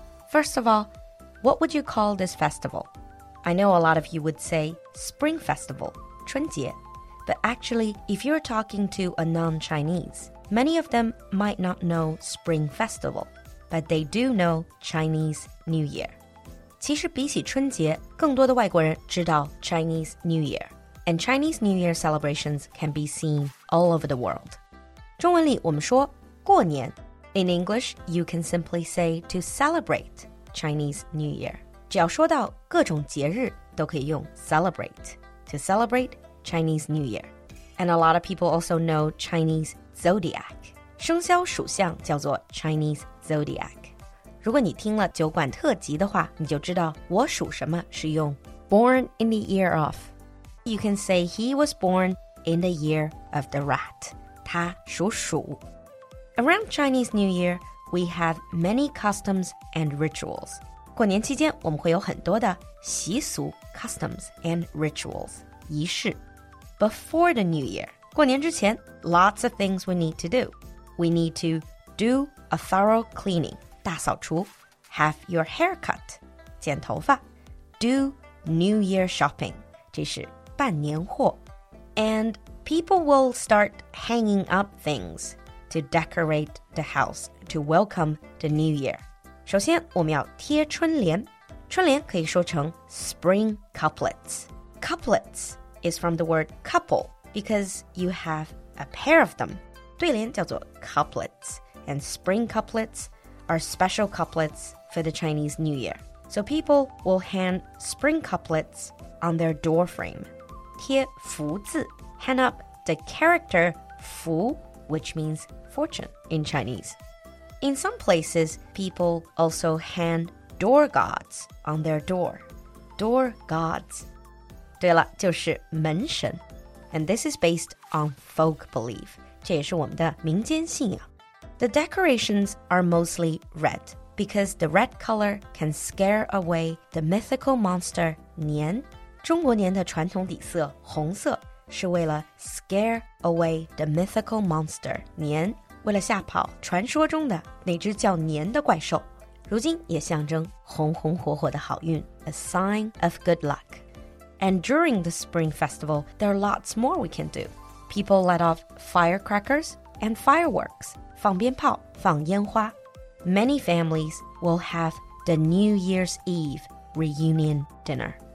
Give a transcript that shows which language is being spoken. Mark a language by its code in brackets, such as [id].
[en] First of all, what would you call this festival? I know a lot of you would say Spring Festival, [zh] 春节。 [en] But actually, if you're talking to a non-Chinese, many of them might not know Spring Festival, but they do know Chinese New Year. [zh] 其实比起春节，更多的外国人知道 [en] Chinese New Year. And Chinese New Year celebrations can be seen all over the world. [zh] 中文里我们说过年。 [en] In English, you can simply say to celebrate Chinese New Year. [zh] 只要说到各种节日，都可以用 celebrate. [en] To celebrate Chinese New Year. And a lot of people also know Chinese Zodiac. [zh] 生肖属相叫做 Chinese Zodiac. 如果你听了酒馆特辑的话，你就知道我属什么是用 [en] Born in the year of. You can say he was born in the year of the rat. [zh] 他属鼠。 [en] Around Chinese New Year, we have many customs and rituals. [zh] 过年期间我们会有很多的习俗 [en] customs and rituals. [zh] 仪式 [en] Before the New Year, [zh] 过年之前 [en] lots of things we need to do. We need to do a thorough cleaning, [zh] 大扫除 [en] have your hair cut, [zh] 剪头发 [en] do New Year shopping, [zh] 这是半年货 [en] and people will start hanging up things to decorate the house to welcome the New Year. [zh] 首先我们要贴春联春联可以说成 [en] spring couplets. Couplets is from the word couple because you have a pair of them. [zh] 对联叫做 couplets, [en] and spring couplets are special couplets for the Chinese New Year. So people will hang spring couplets on their door frame. [zh] 贴福字 [en] hang up the character 福 which means fortune in Chinese. In some places, people also hang door gods on their door. Door gods. [zh] 对了就是门神 [en] And this is based on folk belief [zh] 这也是我们的民间信仰 [en] The decorations are mostly red Because the red color can scare away the mythical monster [zh] 年中国年的传统底色红色是为了 [en] scare away the mythical monster [zh] 年为了吓跑传说中的那只叫年的怪兽如今也象征红红火火的好运 [en] A sign of good luckAnd during the Spring Festival, there are lots more we can do. People let off firecrackers and fireworks. [zh] 放鞭炮放烟花 [en] Many families will have the New Year's Eve reunion dinner.